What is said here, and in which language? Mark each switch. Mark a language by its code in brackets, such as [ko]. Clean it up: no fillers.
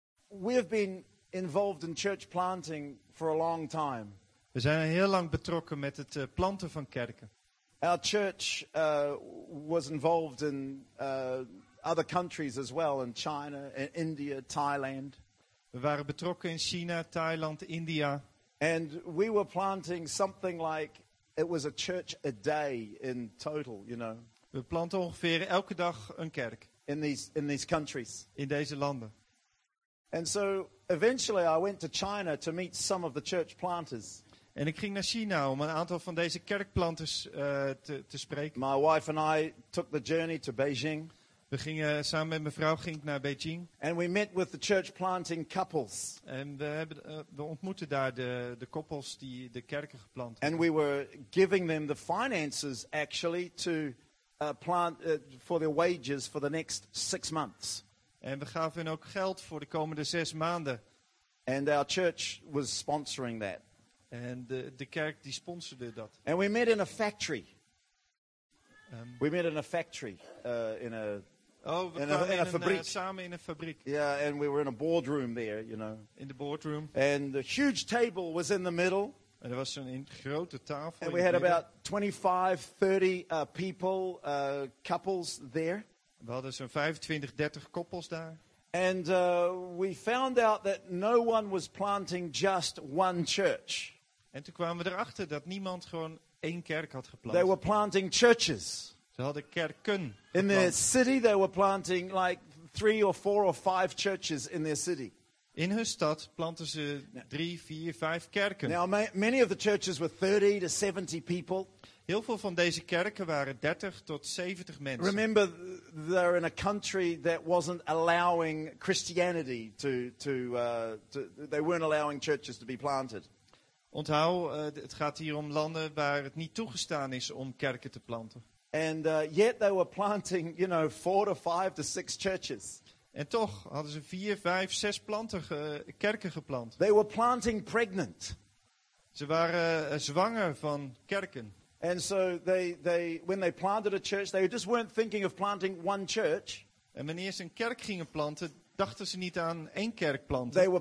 [en] We have been involved in church planting for a long time. [nl] We zijn heel lang betrokken met het planten van kerken. [en] Our church was involved in other countries as well, in China, in India, Thailand. [nl] We waren betrokken in China, Thailand, India. [en] And we were planting something like it was a church a day in total, you know. [nl] We planten ongeveer elke dag een kerk. [en] In these countries. [nl] In deze landen. [en] And so eventually I went to China to meet some of the church planters. [nl] En ik ging naar China om een aantal van deze kerkplanters te spreken. [en] My wife and I took the journey to Beijing. [nl] We gingen samen met mevrouw ging naar Beijing. [en] And we met with the church planting couples. [nl] En we ontmoetten daar de koppels die de kerken geplant hadden. [en] And we were giving them the finances actually to plant for their wages for the next 6 months. [nl] En we gaven hen ook geld voor de komende 6 maanden. [en] And our church was sponsoring that. [nl] En de kerk die sponsorde dat. [en] And we met in a factory. We met in a factory in a [nl] fabriek. Samen in een fabriek. [en] Yeah, and we were in a boardroom there, you know. In the boardroom. And the huge table was in the middle. [nl] En er was een grote tafel. [en] And we had about 25-30 people, couples there. [nl] We hadden zo'n 25-30 koppels daar. [en] And we found out that no one was planting just one church. [nl] En toen kwamen we erachter dat niemand gewoon één kerk had geplant. [en] They were planting churches. [nl] Ze hadden kerken geplant. [en] In their city they were planting like 3 or 4 or 5 churches in their city. [nl] In hun stad planten ze 3, 4, 5 kerken. [en] Now many of the churches were 30 to 70 people. [nl] Heel veel van deze kerken waren 30 tot 70 mensen. [en] Remember, they're in a country that wasn't allowing Christianity they weren't allowing churches to be planted. [nl] Onthoud, het gaat hier om landen waar het niet toegestaan is om kerken te planten. [en] And yet they were planting, you know, 4 to 5 to 6 churches. [nl] En toch hadden ze 4, 5, 6 planten kerken geplant. [en] They were planting pregnant. [nl] Ze waren zwanger van kerken. [en] And so they when they planted a church, they just weren't thinking of planting one church. [nl] En wanneer ze een kerk gingen planten, dachten ze niet aan één kerk planten.